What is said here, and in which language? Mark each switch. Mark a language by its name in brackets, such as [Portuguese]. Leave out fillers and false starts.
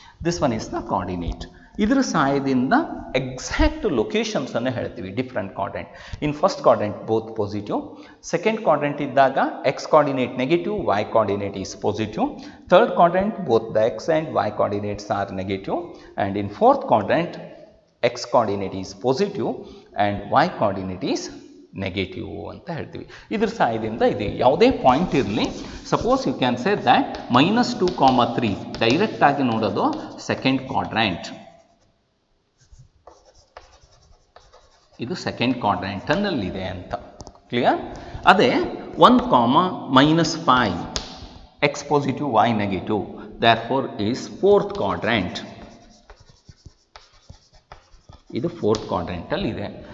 [English] This one is the coordinate. [Kannada] ಇದರ ಸಹಾಯದಿಂದ exact ಲೊಕೇಶನ್ಸನ್ನು ಹೇಳ್ತೀವಿ different quadrant. [English] In first quadrant both positive, second quadrant ಇದ್ದಾಗ x coordinate negative, y coordinate is positive. Third quadrant both the x and y coordinates are negative. And in fourth quadrant x coordinate is positive and y coordinate is negative [Kannada] ಅಂತ ಹೇಳ್ತೀವಿ. ಇದ್ರ ಸಹಾಯದಿಂದ ಇದು ಯಾವುದೇ point ಇರಲಿ, [English] suppose you can say that minus two comma three [Kannada] direct ಆಗಿ ನೋಡೋದು second quadrant, ಇದು ಸೆಕೆಂಡ್ ಕ್ವಾಡ್ರಾಂಟ್ನಲ್ಲಿದೆ ಅಂತ. ಕ್ಲಿಯರ್? [English] ಅದೇ 1, -5 x positive y negative therefore is fourth quadrant, [Kannada] ಇದು ಫೋರ್ತ್ ಕ್ವಾಡ್ರಾಂಟಲ್ಲಿ ಇದೆ.